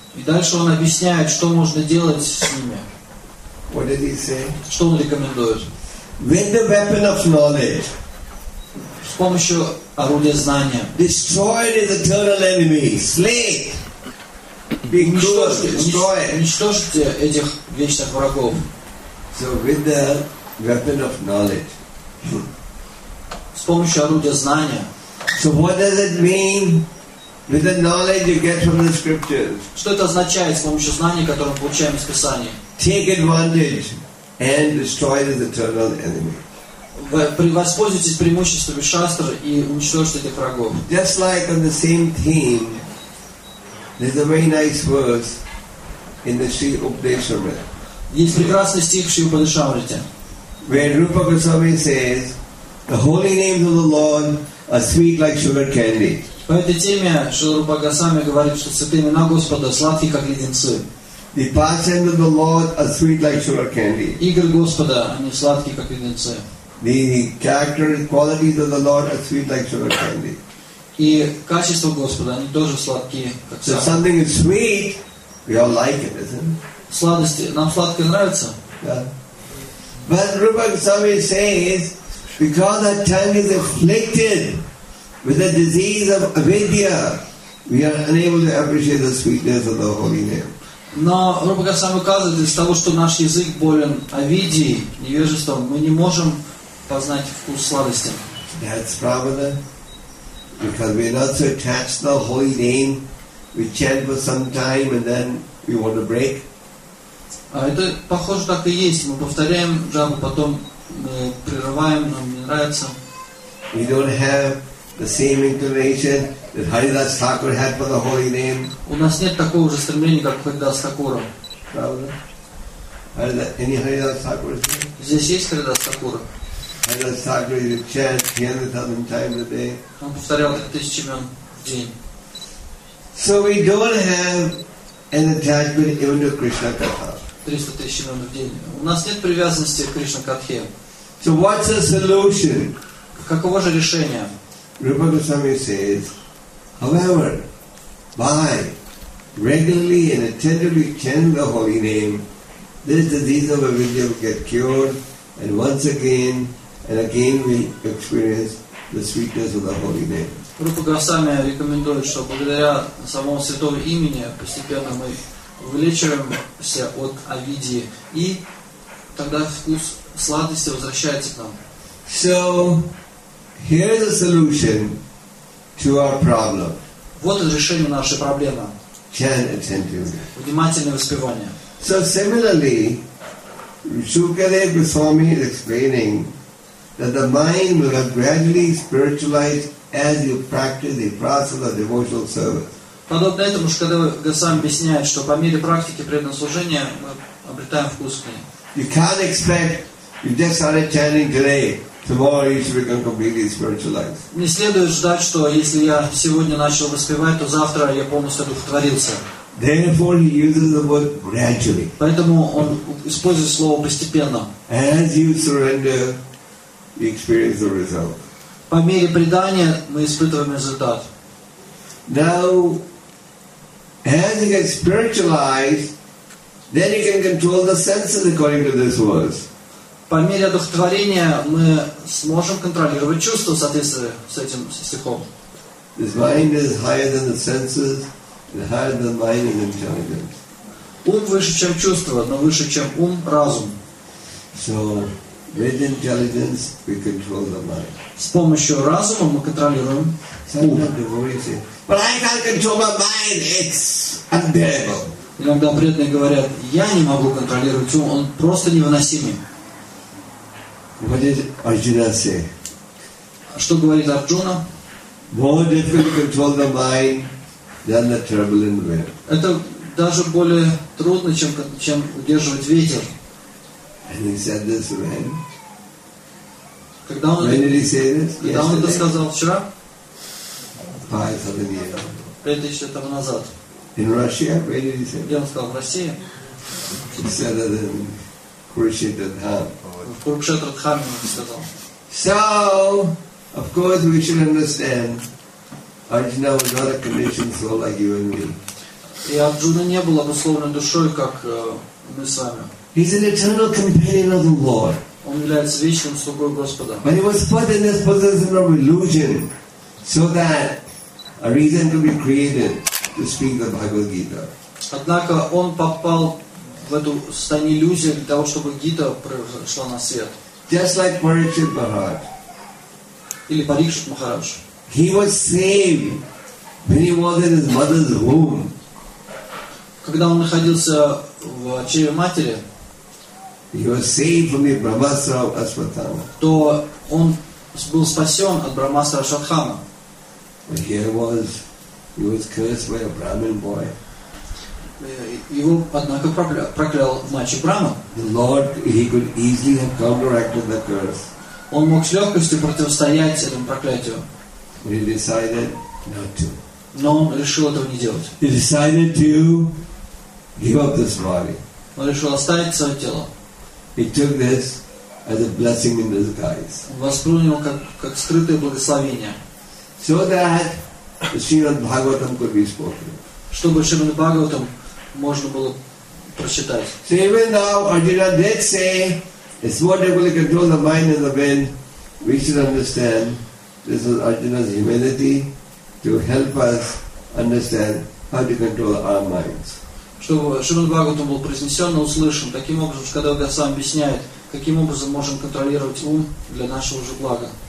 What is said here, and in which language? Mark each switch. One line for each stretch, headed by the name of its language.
Russian: И дальше он объясняет, что можно делать с ними.
English: What did he say?
Russian: Что он рекомендует?
English: With the weapon of knowledge.
Russian: С помощью орудия знания.
English: Destroy his eternal enemy. Slay. Be cruel. Destroy.
Russian: Уничтожьте этих вечных врагов.
English: So with the weapon of knowledge.
Russian: С помощью орудия знания.
English: So what does it mean with the knowledge you get from the scriptures?
Russian: Что это означает с помощью знаний, которые мы получаем из Писания?
English: Take advantage and destroy the eternal enemy.
Russian: Воспользуйтесь преимуществами шастр и уничтожьте этих врагов.
English: Just like on the same theme, there's a very nice verse in the Sri Upadeshamrita.
Russian: Есть прекрасный стих в Шри Упадешамрите.
English: Where Rupa Goswami says, the holy names of the Lord are sweet like sugar candy.
Russian: По этой теме Шри Рупа Госвами говорит, что святые имена Господа сладки, как леденцы.
English: The pastimes of the Lord are sweet like sugar candy.
Russian: Игры Господа, они сладкие, как леденцы.
English: The character and qualities of the Lord are sweet like sugar candy.
Russian: И качества Господа, они тоже сладкие, как сахар.
English: So something is sweet, we all like it, isn't it?
Russian: Сладости, нам сладкое нравится.
English: Yeah. But Rupa Goswami says, because our tongue is afflicted with the disease of avidya, we are unable to appreciate the sweetness of the holy name.
Russian: Но Рупа Госвами указывает, из-за того, что наш язык болен авидией, невежеством, мы не можем познать вкус сладости.
English: That's pravada. Because we are not so attached to the holy name, we chant for some time and then we want to break.
Russian: Это похоже так и есть. Мы повторяем джапу, потом мы прерываем, нам не нравится.
English: We don't have the same inclination that Haridas Thakur had for the holy name.
Russian: У нас нет такого же стремления, как Haridas Thakur. Правда?
English: Any Haridas Thakur is there?
Russian: Здесь есть Haridas Thakur.
English: Haridas Thakur is a chant 300,000 times a day.
Russian: Он повторял 3000 имен в день.
English: So we don't have an attachment even to Krishna Katha.
Russian: 300 тысяч имен в день. У нас нет привязанности к Кришна Катхе.
English: So what's the solution?
Russian: Каково же решение?
English: Rupa Goswami says, however, by regularly and attentively chanting the holy name, this disease of avidya will get cured, and once again and again we experience the sweetness of the holy name.
Russian: Rupa Goswami рекомендует, что благодаря самому святому имени постепенно мы вылечиваемся от авидии и тогда вкус сладости возвращается к нам.
English: So, here's a solution to our problem.
Russian: Вот решение нашей проблемы. Внимательное воспевание.
English: So similarly, Shukadeva Goswami is explaining that the mind will have gradually spiritualized as you practice the process of devotional service.
Russian: Подобно этому, Шукадева Госвами объясняет, что по мере практики преданного служения мы обретаем вкус к ней.
English: You can't expect you just started chanting today. Tomorrow you should become completely spiritualized.
Russian: Не следует ждать, что если я сегодня начал воспевать, то завтра я полностью одухотворился.
English: Therefore, he uses the word gradually.
Russian: Поэтому он использует слово постепенно.
English: As you surrender, you experience the result.
Russian: По мере предания мы испытываем результат.
English: Now, as you get spiritualized, then you can control the senses according to this verse.
Russian: По мере одухотворения мы сможем контролировать чувства в соответствии с этим стихом.
English: This mind is higher than the senses, and higher than mind and intelligence.
Russian: Ум выше, чем чувства, но выше, чем ум, разум.
English: So, with intelligence, we control the mind.
Russian: С помощью разума мы контролируем ум.
English: But I can't control my mind, it's unbearable.
Russian: Иногда преданные говорят, я не могу контролировать ум, он просто невыносимый.
English: What did Arjuna say?
Russian: Что говорит Арджуна?
English: More difficult to control the mind than the turbulent wind.
Russian: Это даже более трудно, чем удерживать ветер.
English: And he said this when?
Russian: Когда он,
English: when did he say this?
Russian: Когда он это сказал вчера?
English: 5,000 years ago.
Russian: 5,000 лет тому назад.
English: In Russia? Where did he say?
Russian: Где он сказал? В России.
English: He said that in Kurukshetra Dham. So, of course, we should understand Arjuna was not a conditioned soul like you and me.
Russian: И Арджуна не был обусловлен душой, как мы с вами.
English: He's an eternal companion of the Lord.
Russian: Он является вечным слугой Господа.
English: But he was put in this position of illusion so that a reason could be created to speak the Bhagavad Gita.
Russian: Однако он попал в эту состояние иллюзии для того, чтобы Гита пришла на свет.
English: Just like Parikshit Maharaj.
Russian: Или Парикшит Махарадж.
English: He was saved when he was in his mother's womb.
Russian: Когда он находился в чреве матери,
English: he was saved from the Брахмасра Ашватхама.
Russian: То он был спасен от Брахмасра Ашватхама.
English: But here was, he was cursed by a Brahmin boy.
Russian: Его, однако, проклял мальчик Брама.
English: The Lord, he could easily have counteracted the curse.
Russian: Он мог с легкостью противостоять этому проклятию.
English: But he decided not to.
Russian: Но он решил этого не делать.
English: He decided to give up this body.
Russian: Он решил оставить свое тело.
English: He took this as a blessing in disguise.
Russian: Он воспринял как скрытое благословение.
English: So that the Srimad Bhagavatam could be spoken.
Russian: Чтобы Шримад Бхагаватам можно было прочитать.
English: So even now Arjuna did say, it's more difficult to control the mind and the wind. We should understand this is Arjuna's humility to help us understand how to control our minds.
Russian: Чтобы Шримад Бхагаватам был произнесен и услышан, таким образом, когда Господь сам объясняет, каким образом можем контролировать ум для нашего же блага.